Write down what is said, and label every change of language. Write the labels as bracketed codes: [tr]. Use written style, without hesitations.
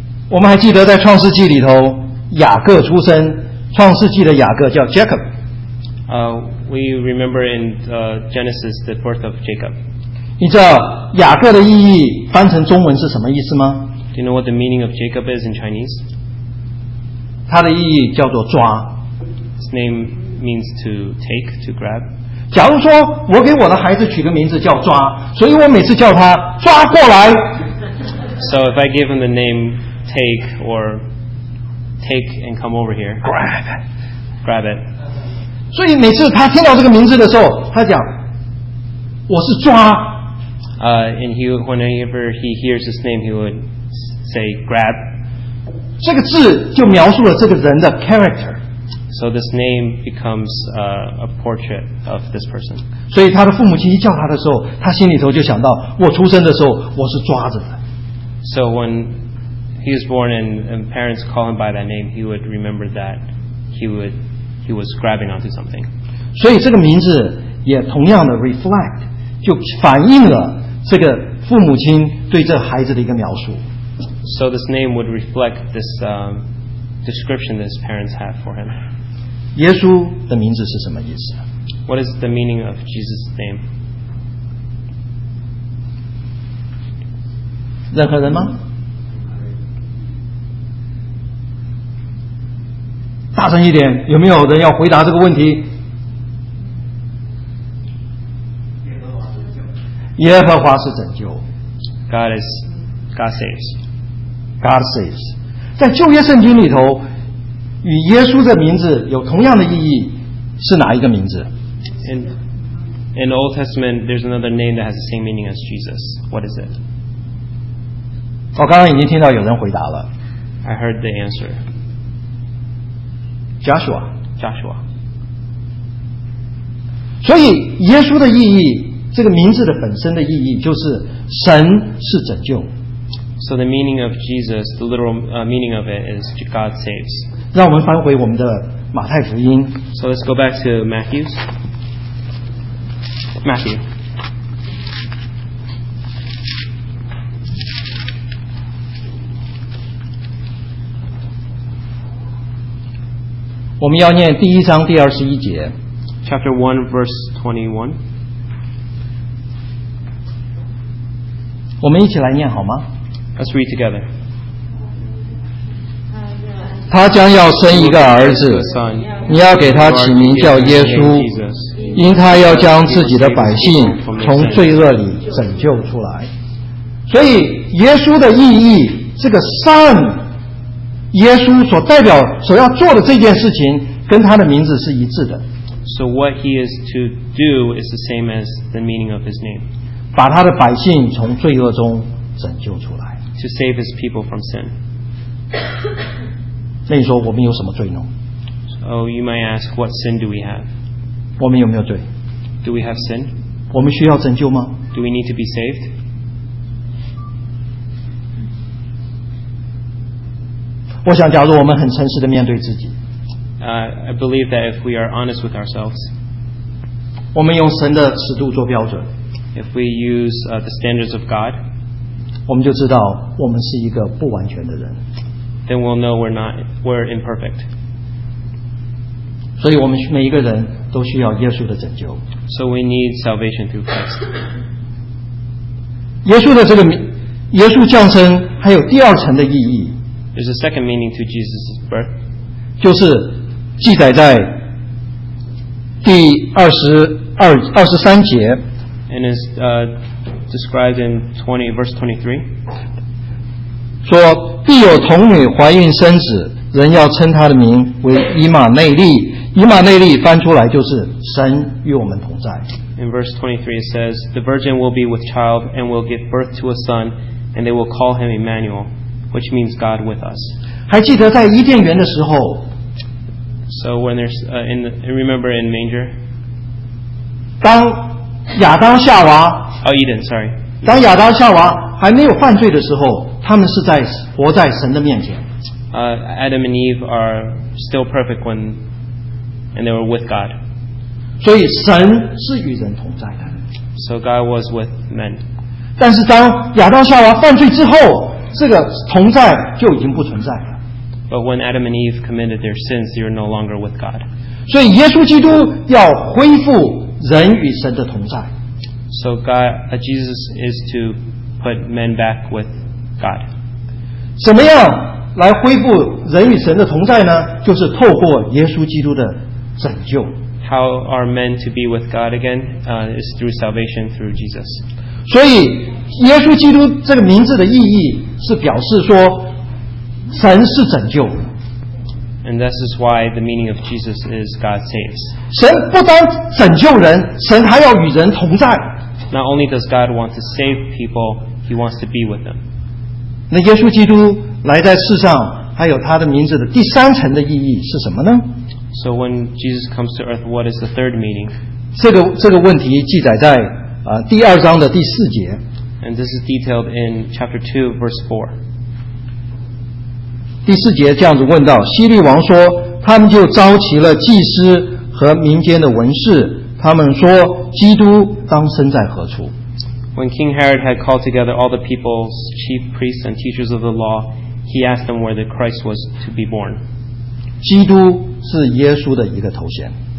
[zh] 我们还记得在创世纪里头，雅各出生。创世纪的雅各叫 Jacob. [en] We remember in Genesis the birth of Jacob. [zh] 你知道雅各的意义翻成中文是什么意思吗？ [en] Do you know what the meaning of Jacob is in Chinese? [zh] 它的意义叫做抓。 [en] His name means to take, to grab. [zh] 假如说我给我的孩子取个名字叫抓，所以我每次叫他抓过来。 [en] So if I give him the name take or take and come over here, grab it. [zh] 所以每次他听到这个名字的时候，他讲我是抓。 [en] And he whenever he hears his name, he would. Say grab. [zh] 这个字就描述了这个人的 character. [en] So this name becomes a portrait of this person. [zh] 所以他的父母亲一叫他的时候，他心里头就想到，我出生的时候我是抓着的。 [en] So when he was born and parents call him by that name, he would remember that he was grabbing onto something. [zh] 所以这个名字也同样的 reflect 就反映了这个父母亲对这孩子的一个描述。 [en] So this name would reflect this description that his parents have for him. [zh] 耶稣的名字是什么意思？ [en] What is the meaning of Jesus' name? [zh] 任何人吗？大声一点，有没有人要回答这个问题？耶和华是拯救。 [en] God saves. God saves. [zh] 在旧约圣经里头，与耶稣的名字有同样的意义，是哪一个名字？ [en] In the Old Testament, there's another name that has the same meaning as Jesus. What is it? [zh] 我刚刚已经听到有人回答了。 [en] I heard the answer. Joshua. Joshua. [zh] 所以耶稣的意义，这个名字的本身的意义，就是神是拯救。 [en] So the meaning of Jesus, the literal meaning of it is God saves. [zh] 让我们翻回我们的马太福音。 [en] So let's go back to Matthew's. Matthew. [zh] 我们要念第一章第二十一节。 [en] Chapter 1, verse 21. [zh] 我们一起来念好吗？ [en] Let's read together. [zh] 他将要生一个儿子，你要给他起名叫耶稣，因他要将自己的百姓从罪恶里拯救出来。所以耶稣的意义，这个善，耶稣所代表所要做的这件事情跟他的名字是一致的。 [en] So what he is to do is the same as the meaning of his name. [zh] 把他的百姓从罪恶中拯救出来。 [en] To save his people from sin. [zh] 那你说我们有什么罪呢？ [en] So you might ask, what sin do we have? [zh] 我们有没有罪？ [en] Do we have sin? [zh] 我们需要拯救吗？ [en] Do we need to be saved? [zh] 我想假如我们很诚实地面对自己、 [en] I believe that if we are honest with ourselves, [zh] 我们用神的尺度做标准， [en] if we use, the standards of God, [zh] 我们就知道我们是一个不完全的人， [en] then we'll know we're not, we're imperfect. [zh] 所以我们每一个人都需要耶稣的拯救。 [en] So we need salvation through Christ. [zh] 耶稣的这个耶稣降生还有第二层的意义。 [en] There's a second meaning to Jesus' birth. [zh] 就是记载在第二十三节。 [en] And is, described in 20:23. [zh] 说必有童女怀孕生子，人要称他的名为以马内利。以马内利翻出来就是神与我们同在。 [en] In verse 23 it says, the virgin will be with child and will give birth to a son, and they will call him Emmanuel. Which means God with us. [zh] 还记得在伊甸园的时候， [en] So when there's in the, remember in manger. [zh] 当亚当夏娃， [en] Oh Eden, sorry. [zh] 当亚当夏娃还没有犯罪的时候，他们是在活在神的面前。 [en] Adam and Eve are still perfect when, and they were with God. [zh] 所以神是与人同在的。 [en] So God was with men. [zh] 但是当亚当夏娃犯罪之后。这个同在就已经不存在了。 [en] But when Adam and Eve committed their sins, they are no longer with God. [zh] 所以耶稣基督要恢复人与神的同在。 [en] So God, Jesus is to put men back with God. [zh] 怎么样来恢复人与神的同在呢？就是透过耶稣基督的拯救。 [en] How are men to be with God again? Is through salvation through Jesus. [zh] 所以耶稣基督这个名字的意义是表示说神是拯救。 [en] And this is why the meaning of Jesus is God saves. [zh] 神不单拯救人，神还要与人同在。 [en] Not only does God want to save people, he wants to be with them. [zh] 那耶稣基督来在世上还有他的名字的第三层的意义是什么呢？ [en] So when Jesus comes to earth, what is the third meaning? [zh] 这个问题记载在、第二章的第四节。 [en] And this is detailed in chapter 2, verse 4. [zh] 第四节这样子问到，希律王说，他们就召集了祭司和民间的文士，他们说，基督当生在何处？ [en] When King Herod had called together all the people's chief priests and teachers of the law, he asked them where the Christ was to be born. [zh] 基督是耶稣的一个头衔。